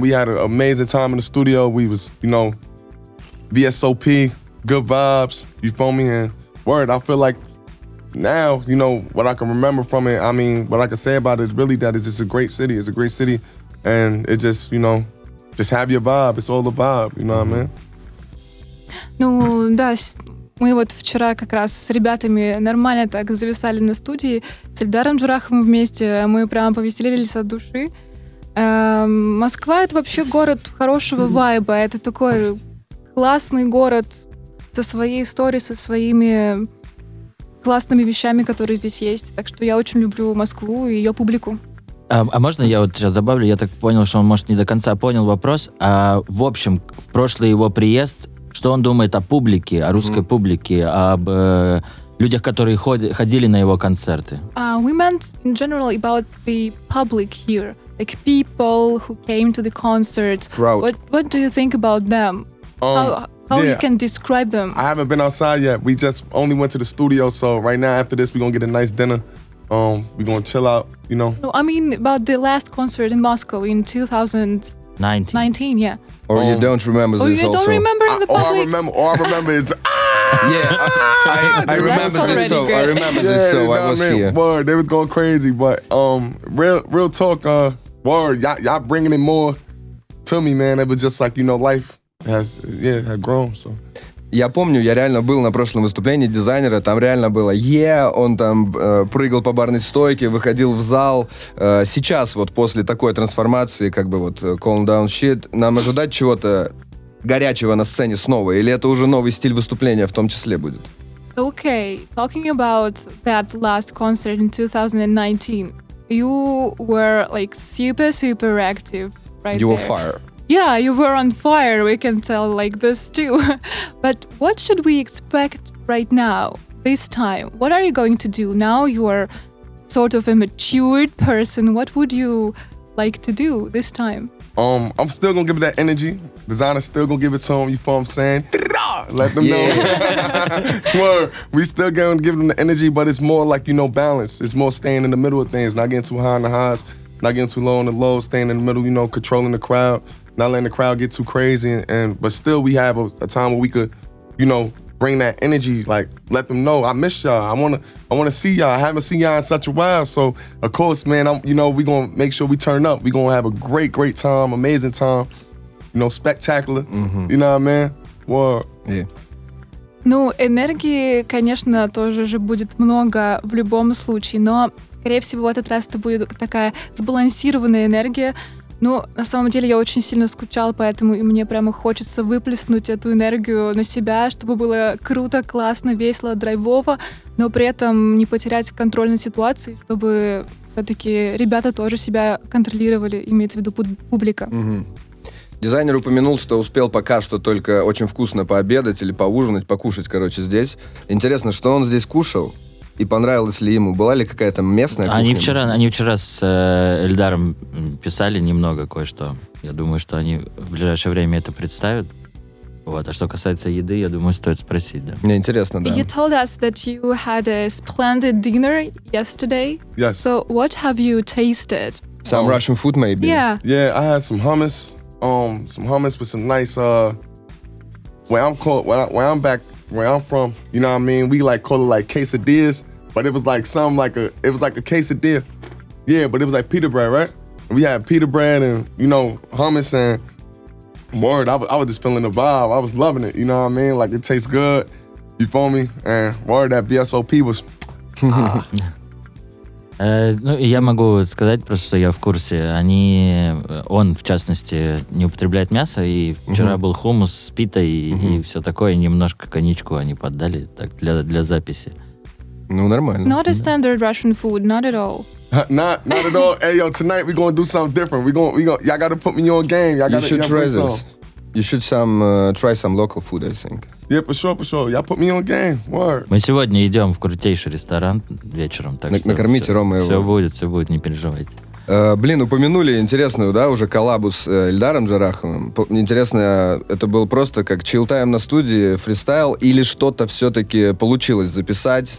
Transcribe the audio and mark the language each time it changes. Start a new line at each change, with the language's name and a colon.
English: We had an amazing time in the studio. We was, you know, VSOP, good vibes, you feel me? And word, I feel like now, you know, what I can remember from it, I mean, what I can say about it is really that it's just a great city. It's a great city. And it just, you know, just have your vibe. It's all the vibe, you know what I mean? No, that's...
Russian: Мы вот вчера как раз с ребятами нормально так зависали на студии с Эльдаром Джураховым вместе. Мы прямо повеселились от души. Москва — это вообще город хорошего вайба. Это такой классный город со своей историей, со своими классными вещами, которые здесь есть. Так что я очень люблю Москву и ее публику. А можно я вот сейчас добавлю? Я так понял, что он, может, не до конца понял вопрос. А в общем, прошлый его приезд... Что он думает о публике, о русской публике, об людях, которые ходили на его концерты?
English: We meant in general about the public here, like people who came to the concert. Crowd. What do you think about them? How you can describe them? I haven't been outside yet. We just only went to the studio, so right now after this we're gonna get a nice dinner. We're gonna chill out, you know. No, I mean about the last concert in Moscow in 2019, yeah. Or you don't remember this also. Or you don't remember in the public. All I remember is... Yeah, I remember this so. Good. I remember this so. You know I was mean? Here. Word, they was going crazy. But real talk, word, y'all bringing it more to me, man. It was just like, you know, life has grown, so...
Russian: я помню, я реально был на прошлом выступлении дизайнера, там реально было он там прыгал по барной стойке, выходил в зал. Сейчас вот после такой трансформации, как бы вот
English: calm down shit,
Russian: нам ожидать чего-то горячего на сцене снова? Или это уже новый стиль выступления в том числе будет?
English: Okay, talking about that last concert in 2019, you were like super, super active, right? You were there. Fire. Yeah, you were on fire, we can tell like this too. But what should we expect right now, this time? What are you going to do? Now you are sort of a matured person. What would you like to do this time? I'm still gonna give it that energy. Designer's still gonna give it to him, you feel what I'm saying? Let them know. Word. We still gonna give them the energy, but it's more like, you know, balance. It's more staying in the middle of things, not getting too high on the highs, not getting too low on the lows, staying in the middle, you know, controlling the crowd, not letting the crowd get too crazy. And but still, we have a time where we could, you know, bring that energy, like, let them know, I miss y'all. I wanna see y'all. I haven't seen y'all in such a while. So, of course, man, we gonna make sure we turn up. We gonna have a great, great time, amazing time, you know, spectacular. Mm-hmm. You know what I mean?
Russian: Ну, энергии, конечно, тоже же будет много в любом случае, но, скорее всего, в этот раз это будет такая сбалансированная энергия. Ну, на самом деле, я очень сильно скучала, поэтому и мне прямо хочется выплеснуть эту энергию на себя, чтобы было круто, классно, весело, драйвово, но при этом не потерять контроль над ситуацией, чтобы все-таки ребята тоже себя контролировали, имеется в виду публика. Mm-hmm. Дизайнер упомянул, что успел пока что только очень вкусно пообедать или поужинать, покушать, короче, здесь. Интересно, что он здесь кушал и понравилось ли ему? Была ли какая-то местная кухня? Они вчера с Эльдаром писали немного кое-что. Я думаю, что они в ближайшее время это представят. Вот. А что касается еды, я думаю, стоит спросить, да. Мне интересно, да.
English: You told us that you had a splendid dinner yesterday. Yes. So what have you tasted? Some Russian food, maybe. Yeah. Yeah, I had some hummus. Some hummus with some nice where I'm from, you know what I mean? We like call it like quesadillas, but it was like something like a quesadilla. Yeah, but it was like pita bread, right? And we had pita bread and, you know, hummus and word, I was just feeling the vibe. I was loving it, you know what I mean? Like it tastes good, you feel me? And word, that BSOP was
Russian: Ну, я могу сказать просто, что я в курсе. Он, в частности, не употребляет мясо, и вчера был хумус с питой и все такое, и немножко коньячку они поддали так для записи. Ну, нормально.
English: Not a standard Russian food, not at all. Not at all. Hey, yo, tonight we're gonna do something different. We're gonna, y'all gotta put me on game. Y'all you should try this. You should try some local food, I think. Yeah, for sure. Y'all put me on game. Word.
Russian: Мы сегодня идем в крутейший ресторан вечером. Накормите Рома его. Все будет, не переживайте. Блин, упомянули интересную, да, уже коллабу с Эльдаром Джараховым. Интересно, это был просто как чилл-тайм на студии, фристайл, или что-то все-таки получилось записать?